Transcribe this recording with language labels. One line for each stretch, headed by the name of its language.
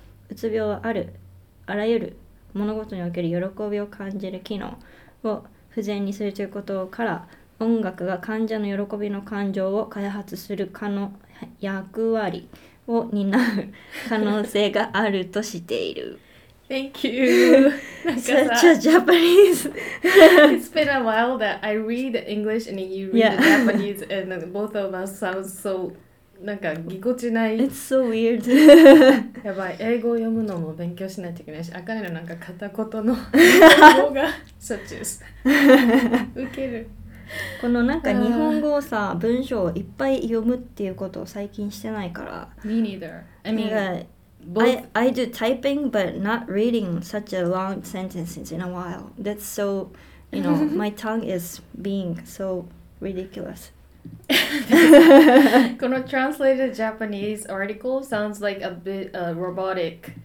Japanese: うつ病はあらゆる物事における喜びを感じる機能を、不全にするということから音楽が患者の喜びの感情を開発する可能役割を担う可能性があるとしている。
English: Thank you. Such a Japanese. It's been a while that I read English and you read Japanese and both of us sound so
Japanese: なんかぎこちない。
English: It's so weird.
Japanese: やばい。英語を読むのも勉強しないといけないし、あかねのなんか片言の英語が
English: Such as.
Japanese: 受ける。このなんか日本語をさ、文章をいっぱい読むっていうことを最近してないから。
English: Me neither. I mean, I do typing, but not reading such a long sentences in a while. That's so, you know, my tongue is being so ridiculous.
Japanese: この
English: translated Japanese article sounds like a bit robotic.